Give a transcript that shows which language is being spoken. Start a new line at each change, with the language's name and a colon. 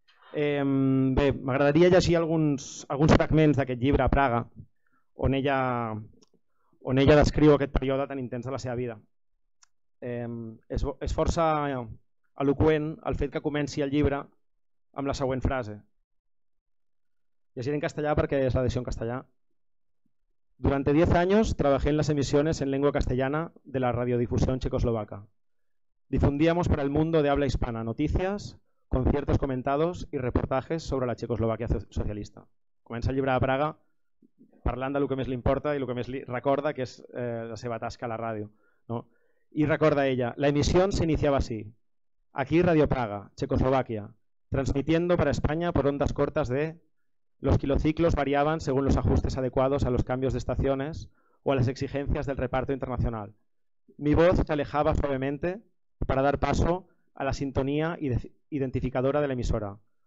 Catalan: Bé, m'agradaria llegir alguns fragments d'aquest llibre a Praga, on ella descriu aquest període tan intens de la seva vida. És força eloqüent el fet que comenci el llibre amb la següent frase. Llegiré en castellà perquè és l'edició en castellà.
Spanish: Durante 10 años trabajé en las emisiones en lengua castellana de la radiodifusión checoslovaca. Difundíamos para el mundo de habla hispana noticias, conciertos comentados y reportajes sobre la Checoslovaquia socialista.
Catalan: Comença el llibre a Praga parlant del que més li importa i el que més li recorda, que és la seva tasca a la ràdio. No? I recorda ella,
Spanish: la emisión se iniciaba así. Aquí Radio Praga, Checoslovaquia, transmitiendo para España por ondas cortas de... Los kilociclos variaban según los ajustes adecuados a los cambios de estaciones o a las exigencias del reparto internacional. Mi voz se alejaba suavemente para dar paso a la sintonía identificadora de la emisora.